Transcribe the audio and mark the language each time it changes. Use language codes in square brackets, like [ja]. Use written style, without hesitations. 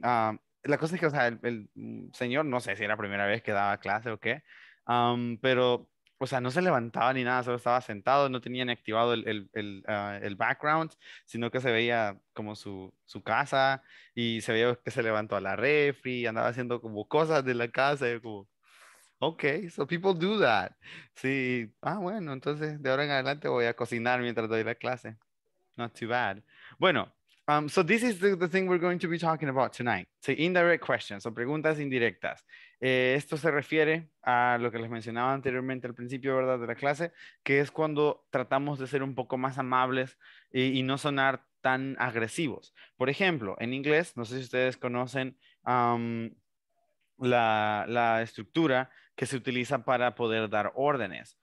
[es] la cosa es que, o sea, el señor, no sé si era la primera vez que daba clase o qué, pero, o sea, no se levantaba ni nada, solo estaba sentado, no tenía ni activado el background, sino que se veía como su casa, y se veía que se levantó a la refri, andaba haciendo como cosas de la casa, y como, [en] okay, so people do that. [es] Sí, ah, bueno, entonces, de ahora en adelante voy a cocinar mientras doy la clase. [en] Not too bad. Bueno, so this is the thing we're going to be talking about tonight. [es] So indirect questions, son preguntas indirectas. Esto se refiere a lo que les mencionaba anteriormente al principio, ¿verdad?, de la clase, que es cuando tratamos de ser un poco más amables y no sonar tan agresivos. Por ejemplo, en inglés, no sé si ustedes conocen la estructura que se utiliza para poder dar órdenes.